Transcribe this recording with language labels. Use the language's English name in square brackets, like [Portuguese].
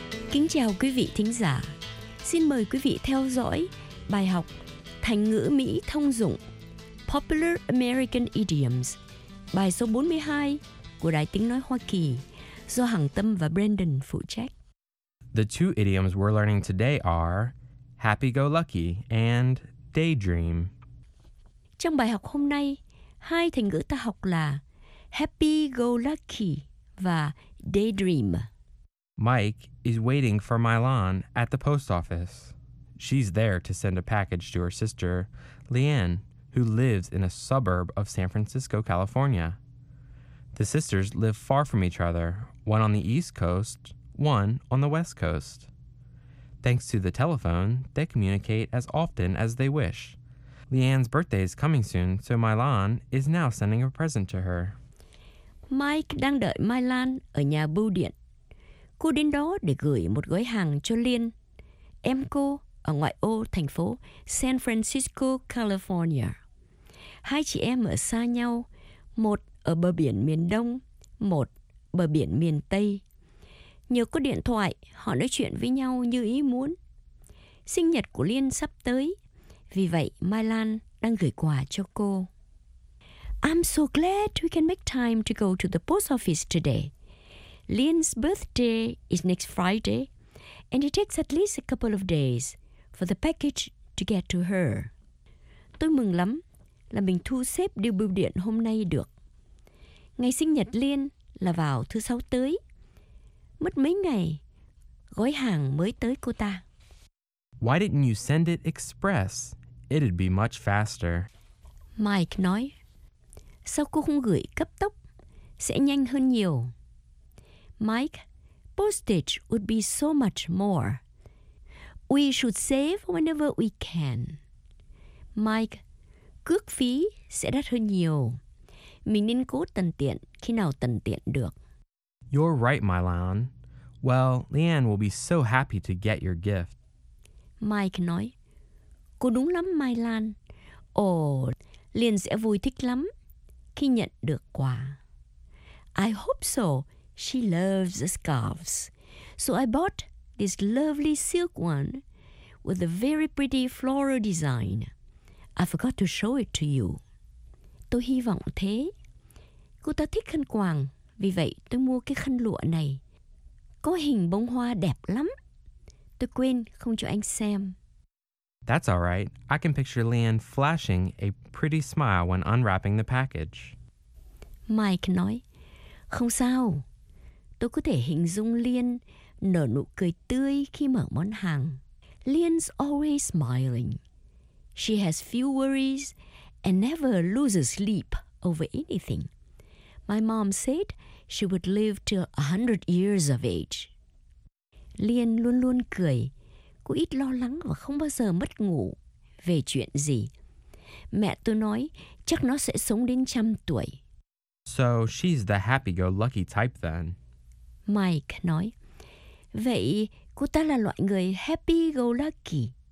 [Vietnamese] Kính chào quý vị thính giả. Xin mời quý vị theo dõi bài học Thành ngữ Mỹ thông dụng [English] Popular American Idioms, [Vietnamese] bài số 42 của Đài Tiếng Nói Hoa Kỳ do Hằng Tâm và Brandon phụ trách. [English] The two idioms we're learning today are happy-go-lucky and daydream. [Vietnamese] Trong bài học hôm nay, hai thành ngữ ta học là happy-go-lucky và daydream. [English] Mike is waiting for Mylon at the post office. She's there to send a package to her sister, Leanne, who lives in a suburb of San Francisco, California. The sisters live far from each other, one on the East Coast, one on the West Coast. Thanks to the telephone, they communicate as often as they wish. Leanne's birthday is coming soon, so Mylon is now sending a present to her. [Vietnamese] Mike đang đợi Mylon ở nhà bưu điện. Cô đến đó để gửi một gói hàng cho Liên, em cô ở ngoại ô thành phố San Francisco, California. Hai chị em ở xa nhau, một ở bờ biển miền Đông, một bờ biển miền Tây. Nhờ có điện thoại, họ nói chuyện với nhau như ý muốn. Sinh nhật của Liên sắp tới, vì vậy Mai Lan đang gửi quà cho cô. [English] I'm so glad we can make time to go to the post office today. Lian's birthday is next Friday, and it takes at least a couple of days for the package to get to her. [Vietnamese] Tôi mừng lắm là mình thu xếp điều bưu điện hôm nay được. Ngày sinh nhật Lian là vào thứ sáu tới. Mất mấy ngày, gói hàng mới tới cô ta. [English] Why didn't you send it express? It'd be much faster. [Vietnamese] Mike nói, sao cô không gửi cấp tốc? Sẽ nhanh hơn nhiều. [English] Mike, postage would be so much more. We should save whenever we can. [Vietnamese] Mike, cước phí sẽ đắt hơn nhiều. Mình nên cố tận tiện khi nào tận tiện được. [English] You're right, Mylon. Well, Leanne will be so happy to get your gift. [Vietnamese] Mike nói, cô đúng lắm, Mylon. Ồ, Liên sẽ vui thích lắm khi nhận được quà. [English] I hope so. She loves the scarves, so I bought this lovely silk one with a very pretty floral design. I forgot to show it to you. [Vietnamese] Tôi hy vọng thế. Cô ta thích khăn quàng, vì vậy tôi mua cái khăn lụa này. Có hình bông hoa đẹp lắm. Tôi quên không cho anh xem. [English] That's all right. I can picture Leanne flashing a pretty smile when unwrapping the package. [Vietnamese] Mike nói, không sao. Tôi có thể hình dung Liên nở nụ cười tươi khi mở món hàng. [English] Liên's always smiling. She has few worries and never loses sleep over anything. My mom said she would live till 100 years of age. [Vietnamese] Liên luôn luôn cười. Cô ít lo lắng và không bao giờ mất ngủ về chuyện gì. Mẹ tôi nói chắc nó sẽ sống đến 100 tuổi. [English] So she's the happy-go-lucky type then. [Vietnamese] Mike nói, vậy cô ta là loại người happy-go-lucky.